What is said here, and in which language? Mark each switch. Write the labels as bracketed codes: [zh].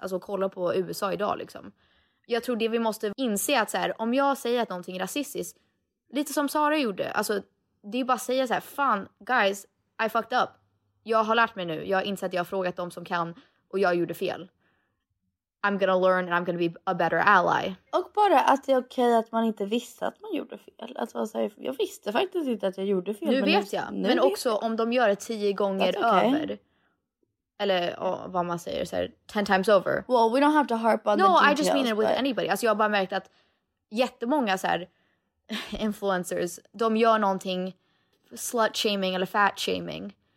[sv] Alltså kolla på USA idag liksom. Jag tror det vi måste inse att så här, om jag säger att någonting är rasistiskt, lite som Sara gjorde, alltså det är bara att säga så här, fan, [en] guys, I fucked up. [sv] Jag har lärt mig nu. Jag har insett att jag har frågat dem som kan och jag gjorde fel. [en] I'm gonna learn and I'm gonna be a better ally. [sv] Och bara att det är okej att man inte visste att man gjorde fel. Att vara så här, jag visste faktiskt inte att jag gjorde fel. Nu vet jag. Nu men vet också jag. Om de gör det 10 gånger över. Eller vad man säger, så här, [en] 10 times over. Well, we don't have to harp on no, the details. No, I just mean it with anybody. [sv] Alltså jag har bara märkt att jättemånga så här, influencers, de gör någonting slut-shaming eller fat-shaming.